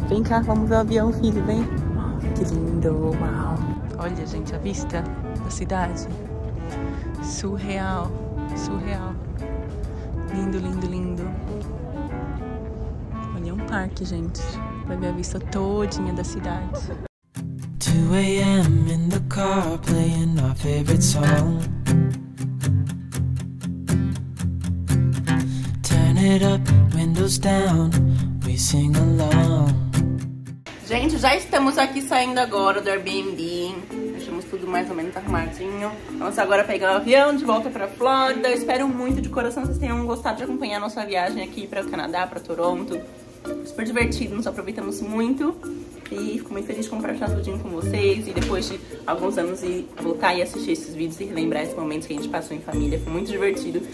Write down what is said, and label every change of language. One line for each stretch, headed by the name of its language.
Portuguese: Vem cá, vamos ver o avião, filho, vem. Que lindo, uau. Olha, gente, a vista da cidade. Surreal, surreal. Lindo, lindo, lindo. Olha, é um parque, gente. Vai ver a vista todinha da cidade.
English: 2 a.m. in the car playing our favorite song. It up, windows down, we sing along.
Portuguese: Gente, já estamos aqui saindo agora do Airbnb. Deixamos tudo mais ou menos arrumadinho. Vamos agora pegar o avião de volta pra Flórida. Eu espero muito de coração que vocês tenham gostado de acompanhar a nossa viagem aqui para o Canadá, para Toronto. Super divertido, nos aproveitamos muito. E fico muito feliz de compartilhar tudinho com vocês. E depois de alguns anos ir voltar e assistir esses vídeos e relembrar esses momentos que a gente passou em família. Foi muito divertido.